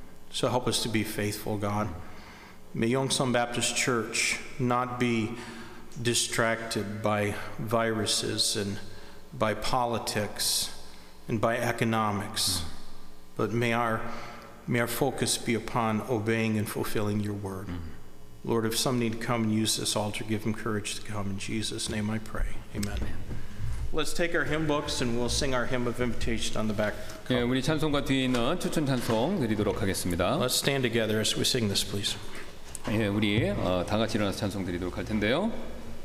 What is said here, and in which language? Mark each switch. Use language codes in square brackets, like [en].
[en] So help us to be faithful, God. May Yongsan Baptist Church not be distracted by viruses and by politics and by economics, but may our May our focus be upon obeying and fulfilling your word. Lord, if some need to come and use this altar, give them courage to come. In Jesus' name I pray. Amen. Let's take our hymn books and we'll sing our hymn of invitation on the back. [ko] 예, 우리 찬송과 뒤에 있는 추천 찬송 드리도록 하겠습니다. [en] Let's stand together as we sing this, please. [ko] 예, 우리 다 같이 일어나서 찬송 드리도록 할 텐데요.